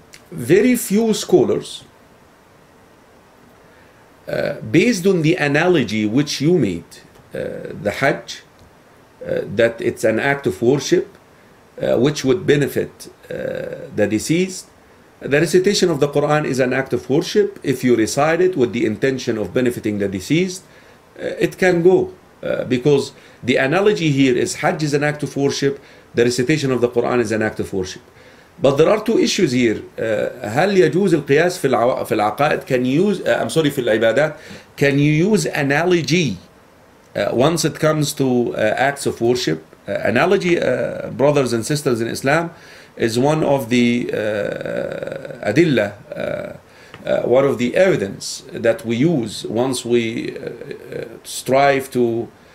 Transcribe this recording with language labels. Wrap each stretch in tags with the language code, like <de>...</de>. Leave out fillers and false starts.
<en>Very few scholars, based on the analogy which you made, the Hajj, that it's an act of worship which would benefit the deceased. The recitation of the Quran is an act of worship. If you recite it with the intention of benefiting the deceased, it can go. Because the analogy here is Hajj is an act of worship, the recitation of the Quran is an act of worship. But there are two issues here.</en> <ar>هل يجوز القياس في العقائد? في العبادات,</ar> <en>can you use analogy? Once it comes to acts of worship, analogy, brothers and sisters in Islam, is one of the adillah, one of the evidence that we use once we strive to</en>